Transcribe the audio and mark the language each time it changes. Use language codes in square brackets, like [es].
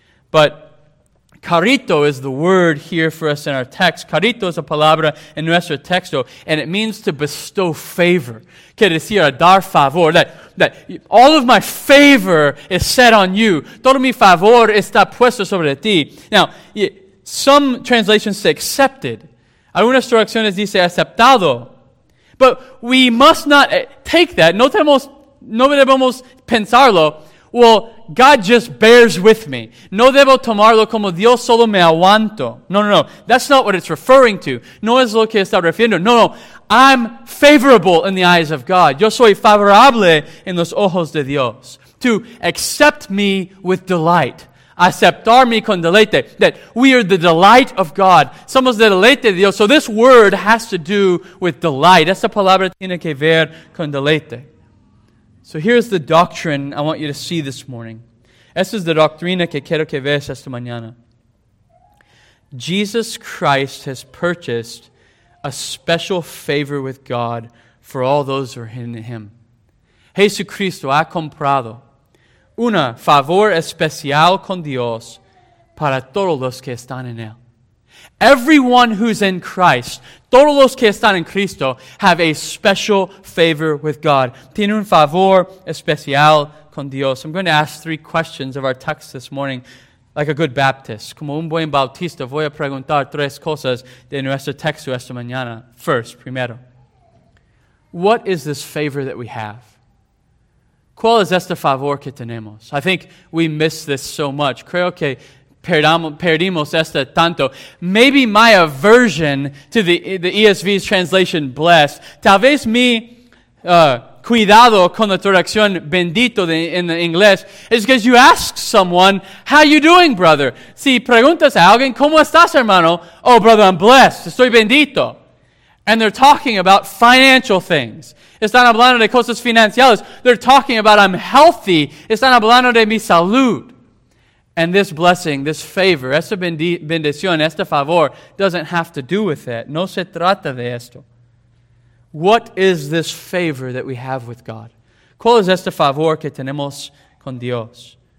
[en] But carito is the word here for us in our text. Carito is a [es] palabra en nuestro texto, [en] and it means to bestow favor. [es] Que decir, dar favor, [en] that all of my favor is set on you. [es] Todo mi favor está puesto sobre ti. [en] Now, some translations say accepted. [es] Algunas traducciones dice aceptado. [en] But we must not take that. [es] No debemos pensarlo. [en] Well, God just bears with me. [es] No debo tomarlo como Dios solo me aguanto. No. [en] That's not what it's referring to. [es] No es lo que está refiriendo. No. [en] I'm favorable in the eyes of God. [es] Yo soy favorable en los ojos de Dios. [en] To accept me with delight. [es] Aceptarme con deleite. [en] That we are the delight of God. [es] Somos de deleite de Dios. [en] So this word has to do with delight. [es] Esta palabra tiene que ver con deleite. [en] So here's the doctrine I want you to see this morning. [es] Esta es la doctrina que quiero que veas esta mañana. [en] Jesus Christ has purchased a special favor with God for all those who are in Him. [es] Jesucristo ha comprado una favor especial con Dios para todos los que están en Él. [en] Everyone who's in Christ, [es] todos los que están en Cristo, [en] have a special favor with God. [es] Tiene un favor especial con Dios. [en] I'm going to ask three questions of our text this morning, like a good Baptist. [es] Como un buen bautista, voy a preguntar tres cosas de nuestro texto esta mañana. [en] First, [es] primero, [en] what is this favor that we have? [es] ¿Cuál es este favor que tenemos? [en] I think we miss this so much. [es] Creo que perdimos esta tanto. [en] Maybe my aversion to the ESV's translation, blessed. [es] Tal vez mi cuidado con la traducción bendito [en] in the inglés is because you ask someone, how you doing, brother? [es] Si preguntas a alguien, ¿cómo estás, hermano? [en] Oh, brother, I'm blessed. [es] Estoy bendito. [en] And they're talking about financial things. [es] Están hablando de cosas financieras. [en] They're talking about I'm healthy. [es] Están hablando de mi salud. [en] And this blessing, this favor, [es] esta bendición, este favor, [en] doesn't have to do with that. [es] No se trata de esto. [en] What is this favor that we have with God? [es] ¿Cuál es este favor que tenemos con Dios?